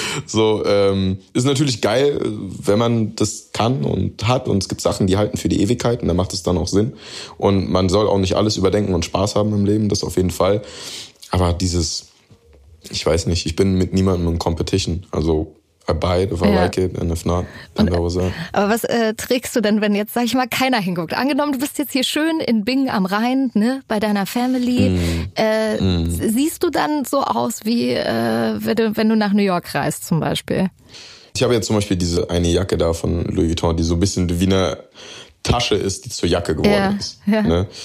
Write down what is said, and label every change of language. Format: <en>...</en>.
<de>So, ist natürlich geil, wenn man das kann und hat und es gibt Sachen, die halten für die Ewigkeit und dann macht es dann auch Sinn. Und man soll auch nicht alles überdenken und Spaß haben im Leben, das auf jeden Fall. Aber dieses, ich weiß nicht, ich bin mit niemandem in Competition. Also</de> <en>I buy it if I like it and if not, then that was it.</en> <de>Aber was trägst du denn, wenn jetzt, sag ich mal, keiner hinguckt? Angenommen, du bist jetzt hier schön in Bingen am Rhein, ne, bei deiner Family. Siehst du dann so aus, wie wenn du nach New York reist zum Beispiel? Ich habe jetzt zum Beispiel diese eine Jacke da von Louis Vuitton, die so ein bisschen wie eine Tasche ist, die zur Jacke geworden ist. Ne?</de>